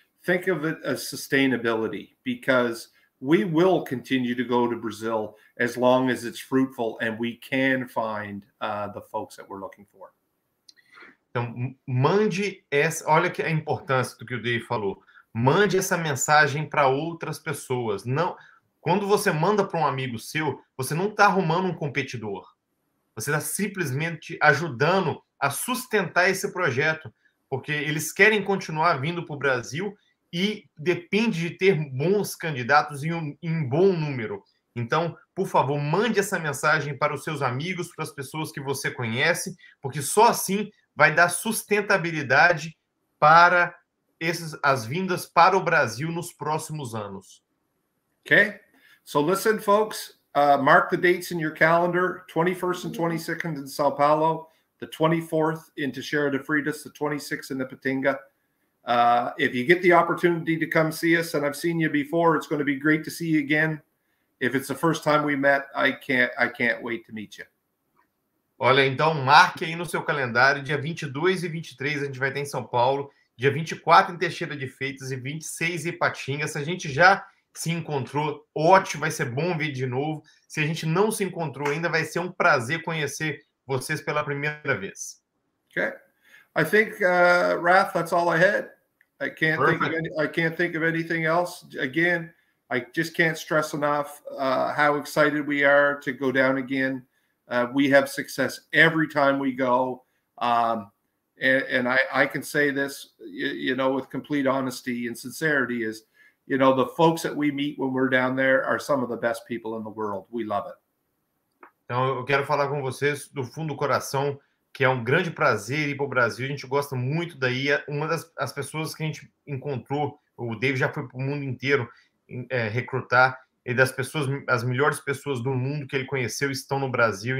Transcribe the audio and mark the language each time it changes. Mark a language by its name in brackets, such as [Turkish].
[English] Think of it as sustainability, because we will continue to go to Brazil as long as it's fruitful and we can find the folks that we're looking for. [Portuguese] Então, mande essa... Olha que a importância do que o Dave falou. Mande essa mensagem para outras pessoas. Não, quando você manda para um amigo seu, você não está arrumando um competidor. Você está simplesmente ajudando a sustentar esse projeto, porque eles querem continuar vindo para o Brasil e depende de ter bons candidatos em bom número. Então, por favor, mande essa mensagem para os seus amigos, para as pessoas que você conhece, porque só assim vai dar sustentabilidade para as vindas para o Brasil nos próximos anos. [English] Ok? So listen, folks, mark the dates in your calendar, 21st and 22nd in São Paulo, the 24th in Teixeira de Freitas, the 26th in Ipatinga. If you get the opportunity to come see us, and I've seen you before, it's going to be great to see you again. If it's the first time we met, I can't wait to meet you. [Portuguese] Olha, então, marque aí no seu calendário, dia 22 e 23 a gente vai estar em São Paulo, dia 24 em Teixeira de Freitas e 26 em Ipatinga. Se a gente já se encontrou, ótimo, vai ser bom ver de novo. Se a gente não se encontrou ainda, vai ser um prazer conhecer vocês pela primeira vez. [English] Ok. I think, Raph, that's all I had. I can't think of anything else. Again, I just can't stress enough how excited we are to go down again. We have success every time we go. And I can say this, you know, with complete honesty and sincerity is, you know, the folks that we meet when we're down there are some of the best people in the world. We love it. [Portuguese] Então, eu quero falar com vocês do fundo do coração, que é um grande prazer ir para o Brasil. A gente gosta muito daí. Uma das pessoas que a gente encontrou, o Dave já foi para o mundo inteiro recrutar, e das pessoas, as melhores pessoas do mundo que ele conheceu estão no Brasil.